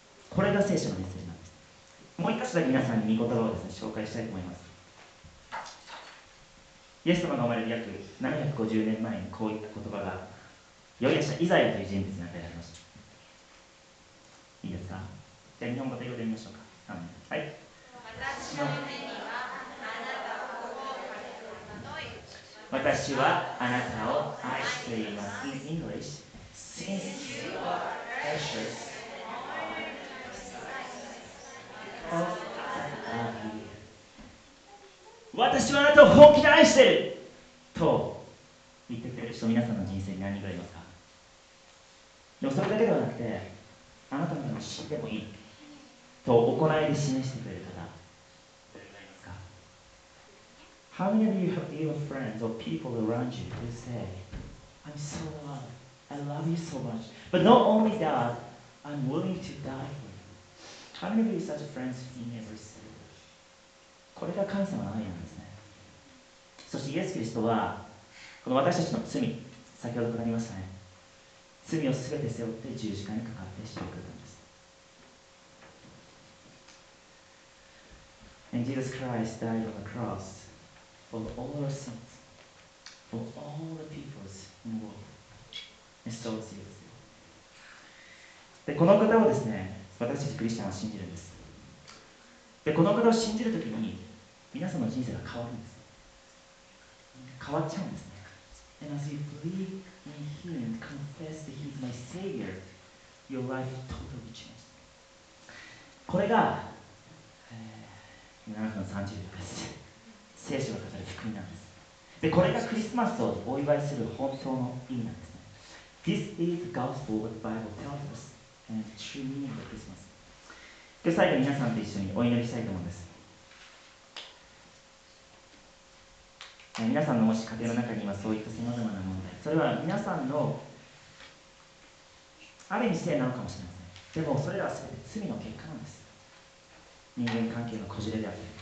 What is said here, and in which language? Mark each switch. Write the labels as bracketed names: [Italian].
[Japanese] これが聖書のメッセージなんです。もう一箇所だけ皆さんに御言葉をですね、紹介したいと思います。イエス様が生まれる約750年前にこういった言葉が預言者イザヤという人物に与えられました。いいですか? じゃあ日本語で読んでみましょうか。はい。私はあなたを愛しています。 [English] In English, since you are precious, because I love you. [Japanese] 私はあなたを本気で愛していると言ってくれる人、皆さんの人生に何がいますか? でもそれだけではなくて、あなたのように死んでもいいと行いで示してくれる方。 [English] How many of you have evil friends or people around you who say, I'm so loved, I love you so much, but not only that, I'm willing to die for you. How many of you have such friends you never see? [Japanese] これが神様の愛なんですね。そしてイエス・キリストは、この私たちの罪、先ほど語りましたね。罪をすべて背負って十字架にかかって死んでくれたんです。 [English] And Jesus Christ died on the cross. For all our sins, for all the peoples in the world, and so is yours. [Japanese] で、この方をですね、私たちクリスチャンは信じるんです。で、この方を信じるときに、皆さんの人生が変わるんです。変わっちゃうんですね。 [English] And as you believe in Him and confess that He is my Savior, your life totally changes. [Japanese] これが、7分30秒です。聖書が語る福音なんです。で、これがクリスマスをお祝いする本当の意味なんですね。 [English] This is the gospel what the Bible tells us and the true meaning of Christmas. [Japanese] で、最後皆さんと一緒にお祈りしたいと思うんです。皆さんのもし家庭の中に今そういった様々な問題、それは皆さんのある意味性なのかもしれません。でもそれらは全て罪の結果なんです。人間関係のこじれであって。